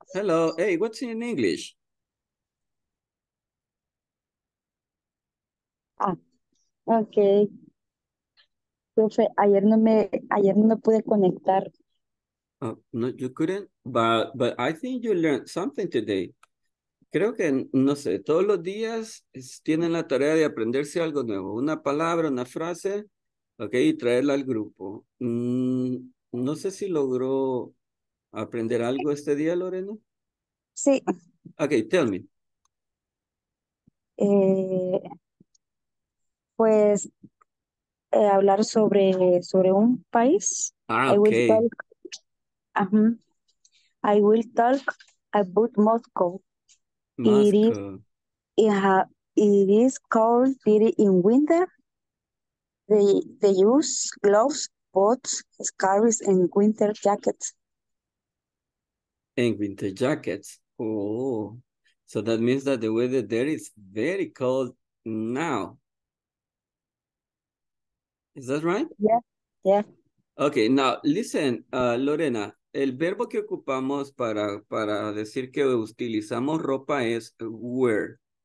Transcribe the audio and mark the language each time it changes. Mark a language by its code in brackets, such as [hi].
[en] Hello, hey, what's in English? [es] Okay. Profe, ayer no pude conectar. [en] No, you couldn't, but I think you learned something today. [es] Creo que, no sé, todos los días tienen la tarea de aprenderse algo nuevo. Una palabra, una frase, ok, y traerla al grupo. No sé si logró aprender algo este día, Lorena. Sí. [en] Ok, tell me. [es] Pues, hablar sobre un país. Ah, ok. [en] I will talk about Moscow. It is cold city in winter. They use gloves, boots, scarves, and winter jackets. And winter jackets. Oh, so that means that the weather there is very cold now. Is that right? Yeah. [es] Okay, now listen, Lorena, el verbo que ocupamos para decir que utilizamos ropa es wear.